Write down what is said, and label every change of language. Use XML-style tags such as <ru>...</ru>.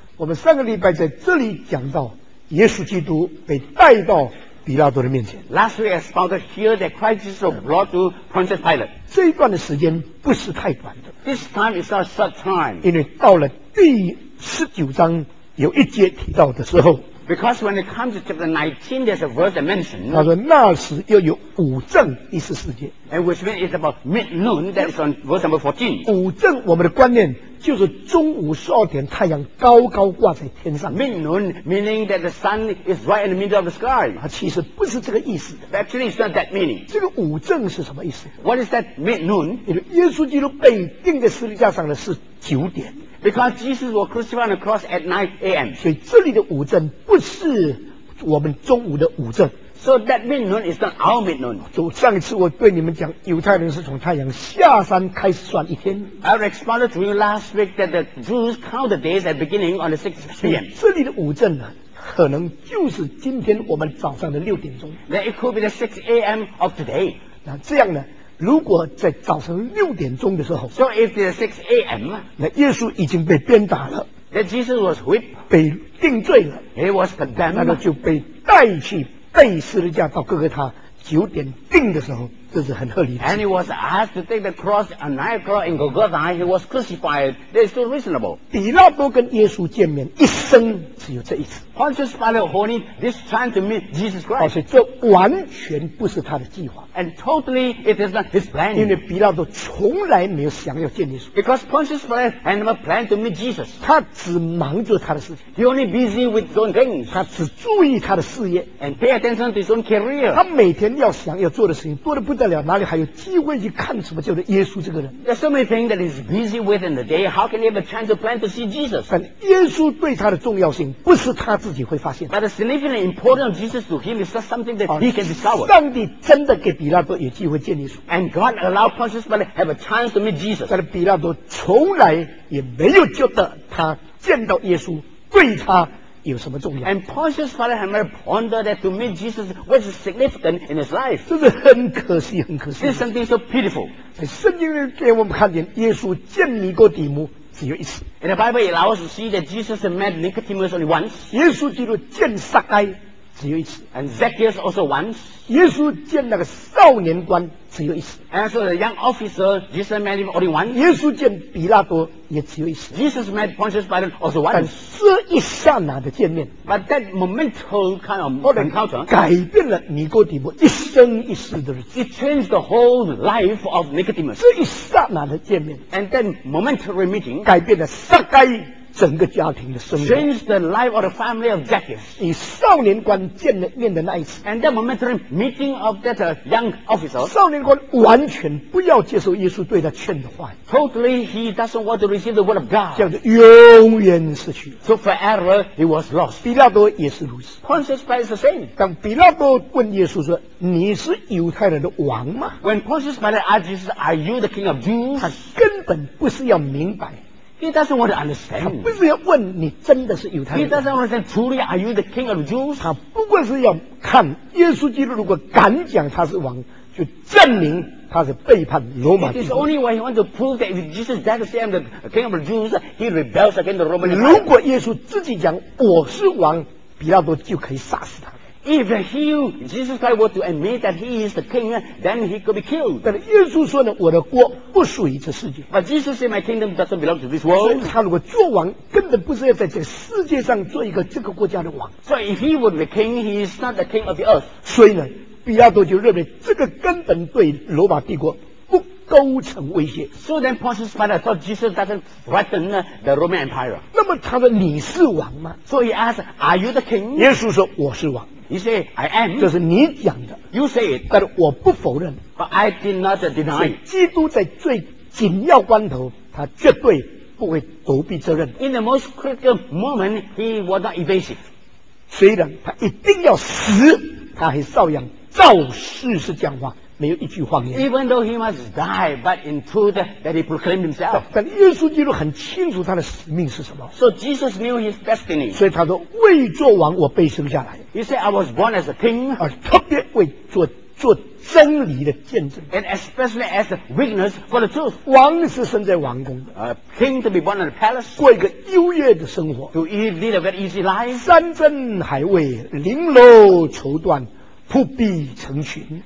<zh>我们上个礼拜在这里讲到耶稣基督被带到比拉多的面前。</zh> <en>Last week I started here that Christ Jesus brought to Pontius Pilate.</en> <zh>这一段的时间不是太短的。</zh> <en>This time is not short time.</en> <zh>因为到了第十九章有一节提到的时候。</zh> <en>Because when it comes to chapter 19, there's a verse that mentioned.</en> <zh>他说那时又有五正第十四节。</zh> <en>And which means it's about midnoon. That's on verse number 14.</en> <zh>五正我们的观念就是中午十二点太阳高高挂在天上。</zh> <en>Midnoon meaning that the sun is right in the middle of the sky.</en> <zh>它其实不是这个意思。</zh> <en>Actually, it's not that meaning.</en> <zh>这个五正是什么意思</zh> <en>？What is that midnoon?</en> <zh>耶稣基督被钉在十字架上的是九点。</zh> <en>Because Jesus was crucified on the cross at 9 a.m.</en> <zh>所以这里的午正不是我们中午的午正。</zh> <en>So that midnoon is not our midnoon.</en> <zh>上一次我对你们讲，犹太人是从太阳下山开始算一天。</zh> <en>I explained to you last week that the Jews count the days at beginning on the 6 p.m.</en> <zh>这里的午正呢，可能就是今天我们早上的六点钟。</zh> <en>That it could be the 6 a.m. of today.</en> <zh>那这样呢？如果在早上六点钟的时候</zh> <en>So if it's 6 a.m.</en> <zh>那耶稣已经被鞭打了</zh> <en>That Jesus was whipped</en> <zh>被定罪了</zh> <en>He was condemned</en> <zh>那他就被带去背十字架到哥哥他九点定的时候这是很合理的</zh> <en>And he was asked to take the cross at 9 o'clock in Golgotha He was crucified That is still reasonable</en> <zh>比拉多跟耶稣见面一生只有这一次</zh> <en>Pontius Pilate holding this time to meet Jesus Christ</en> <zh>而且这完全不是他的计划</zh> <en>And totally it is not his plan</en> <zh>因为比拉多从来没有想要见耶稣</zh> <en>Because Pontius Pilate had never planned to meet Jesus</en> <zh>他只忙着他的事情</zh> <en>He only busy with his own things</en> <zh>他只注意他的事业</zh> <en>And pay attention to his own career</en> <zh>他每天要想要做的事情多得不得哪里还有机会去看什么叫做耶稣这个人</zh> <en>There's so many things that he's busy with in the day How can he have a chance to plan to see Jesus?</en> <zh>但耶稣对他的重要性不是他自己会发现</zh> <en>But the significant importance of Jesus to him is not something that he can discover</en> <zh>上帝真的给比拉多有机会见耶稣</zh> <en>And God allowed Pontius Pilate to have a chance to meet Jesus</en> <zh>但比拉多从来也没有觉得他见到耶稣对他有什么重要</zh> <en>And Pontius Pilate had never pondered that to meet Jesus was significant in his life</en> <zh>这是很可惜很可惜</zh> <en>This is something so pitiful</en> <zh>在圣经里给我们看见耶稣见尼哥底母只有一次</zh> <en>In the Bible it allows us to see that Jesus met Nicodemus only once</en> <zh>耶稣基督见撒该只有一次</zh> <en>And Zacchaeus also once</en> <zh>耶稣见那个少年官只有一次</zh> <en>And so the young officer Jesus met him only once</en> <zh>耶稣见比拉多也只有一次</zh> <en>Jesus met Pontius Pilate also once</en> <zh>但是一刹那的见面</zh> <en>But that momental kind of encounter</en> <zh>改变了尼哥底母一生一世的日子</zh> <en>It changed the whole life of Nicodemus</en> <zh>这一刹那的见面</zh> <en>And that momentary meeting</en> <zh>改变了撒该整个家庭的生活</zh> <en>Change the life of the family of Zacchaeus</en> <zh>以少年官见了面的那一次</zh> <en>And that momentary meeting of that young officer</en> <zh>少年官完全不要接受耶稣对他劝的话</zh> <en>Totally he doesn't want to receive the word of God</en> <zh>这样子永远失去</zh> <en>So forever he was lost</en> <zh>比拉多也是如此</zh> <en>Pontius Pilate is the same</en> <zh>当比拉多问耶稣说你是犹太人的王吗</zh> <en>When Pontius Pilate asked Jesus Are you the king of Jews</en> <zh>他根本不是要明白</zh> <en>He doesn't want to understand.</en> <zh>他不是要问你真的是犹太人。</zh> <en>He doesn't understand. Truly, are you the king of the Jews?</en> <zh>他不过是要看耶稣基督如果敢讲他是王，就证明他是背叛罗马帝国。</zh> <en>It is only when he wants to prove that if Jesus does say I'm the king of the Jews, he rebels against the Roman.</en> <zh>如果耶稣自己讲我是王，比拉多就可以杀死他。</zh> <en>If he, Jesus Christ, were to admit that he is the king, then he could be killed.</en> <zh>但耶稣说呢，我的国不属于这世界。</zh> <en>But Jesus said, my kingdom doesn't belong to this world.</en> <zh>所以他如果做王，根本不是要在这个世界上做一个这个国家的王。</zh> <en>So if he were the king, he is not the king of the earth.</en> <zh>所以呢，比拉多就认为这个根本对罗马帝国不构成威胁。</zh> <en>So then Pontius Pilate thought Jesus doesn't threaten the Roman Empire.</en> <zh>那么他说你是王吗</zh> <en>？So he asked, are you the king?</en> <zh>耶稣说我是王。</zh> <en>You say, I am.</en> <zh>这是你讲的。</zh> <en>You say it.</en> <zh>但我不否认。</zh> <en>But I did not deny.</en> <zh>基督在最紧要关头，他绝对不会躲避责任。</zh> <en>In the most critical moment, he was not evasive.</en> <zh>虽然他一定要死，他还照样照事实讲话，没有一句谎言。</zh> <en>Even though he must die, but in truth that he proclaimed himself.</en> <zh>但耶稣基督很清楚他的使命是什么。</zh> <en>So Jesus knew his destiny.</en> <zh>所以他说，为做王，我被生下来。</zh> <en>He said, I was born as a king.</en> <zh>而特别为做做真理的见证。</zh> <en>And especially as a witness for the truth.</en> <zh>王是生在王宫的。</zh> <en>King to be born in the palace.</en> <zh>过一个优越的生活。</zh> <en>To lead a very easy life.</en> <zh>山珍海味，绫罗绸缎，铺壁成群。</zh>